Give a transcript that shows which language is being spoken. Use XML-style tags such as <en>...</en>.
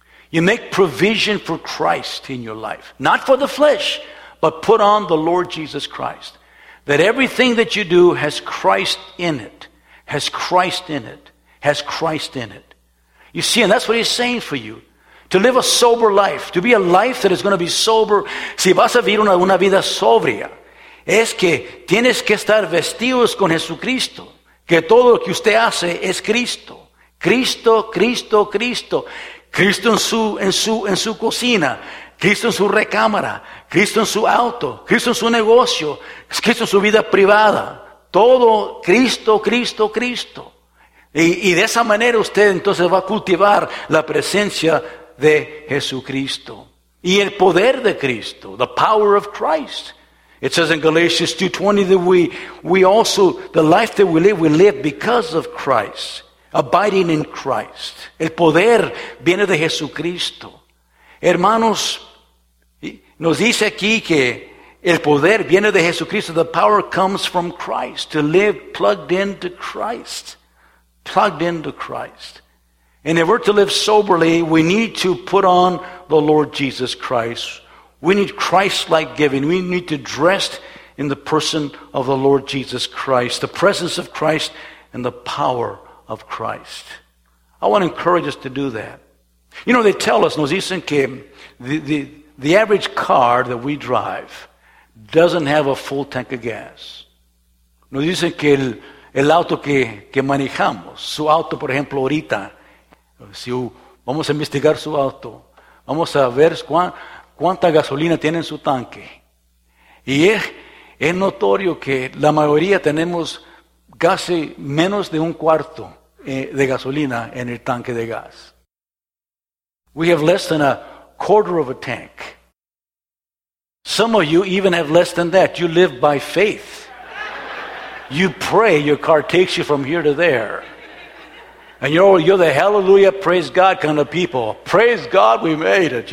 <en>You make provision for Christ in your life. Not for the flesh, but put on the Lord Jesus Christ. That everything that you do has Christ in it. Has Christ in it. Has Christ in it. You see, and that's what he's saying for you. To live a sober life. To be a life that is going to be sober.</en> <es>Si vas a vivir una vida sobria, es que tienes que estar vestidos con Jesucristo. Que todo lo que usted hace es Cristo. Cristo, Cristo, Cristo. Cristo en su cocina. Cristo en su recámara. Cristo en su auto. Cristo en su negocio. Cristo en su vida privada. Todo Cristo, Cristo, Cristo. Y de esa manera usted entonces va a cultivar la presencia de Jesucristo. Y el poder de Cristo.</es> <en>The power of Christ. It says in Galatians 2:20 that we also, the life that we live because of Christ, abiding in Christ.</en> <es>El poder viene de Jesucristo. Hermanos, nos dice aquí que el poder viene de Jesucristo.</es> <en>The power comes from Christ, to live plugged into Christ. Plugged into Christ. And if we're to live soberly, we need to put on the Lord Jesus Christ. We need Christ-like giving. We need to dress in the person of the Lord Jesus Christ, the presence of Christ, and the power of Christ. I want to encourage us to do that. You know, they tell us,</en> <es>nos dicen que</es> <en>the average car that we drive doesn't have a full tank of gas.</en> <es>Nos dicen que el auto que manejamos, su auto, por ejemplo, ahorita, si vamos a investigar su auto, vamos a ver ¿cuánta gasolina tiene en su tanque? Y es notorio que la mayoría tenemos casi menos de un cuarto de gasolina en el tanque de gas.</es> <en>We have less than a quarter of a tank. Some of you even have less than that. You live by faith. You pray, your car takes you from here to there. And you're the hallelujah, praise God kind of people. Praise God we made it.</en>